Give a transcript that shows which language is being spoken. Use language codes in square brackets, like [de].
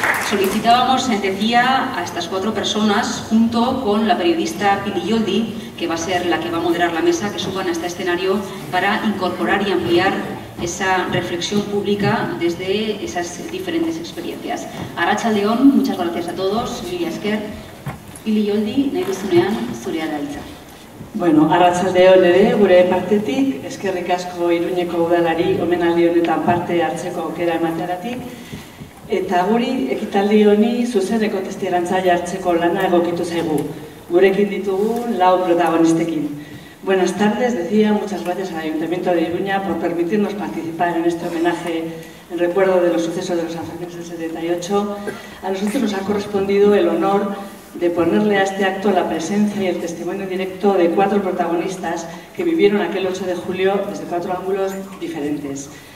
[es] Solicitábamos, decía, a estas cuatro personas, junto con la periodista Pili Yoldi, que va a ser la que va a moderar la mesa, que suban a este escenario para incorporar y ampliar esa reflexión pública desde esas diferentes experiencias. Arratsaldeon, muchas gracias a todos. [eu] Mila esker. Pili Yoldi, nahi duzunean, zurea da hitza. Bueno, arratsaldeon ere, gure partetik, eskerrik asko Iruñeko udalari omenaldi honetan parte hartzeko aukera emateagatik. Eta guri, ekitaldi honi zuzeneko testigantza jartzeko lana egokitu zaigu. Gurekin ditugu lau protagonistekin. [es] Buenas tardes, decía, muchas gracias al Ayuntamiento de Iruña por permitirnos participar en este homenaje en recuerdo de los sucesos de los Anzoátegui del 78. A nosotros nos ha correspondido el honor de ponerle a este acto la presencia y el testimonio directo de cuatro protagonistas que vivieron aquel 8 de julio desde cuatro ángulos diferentes.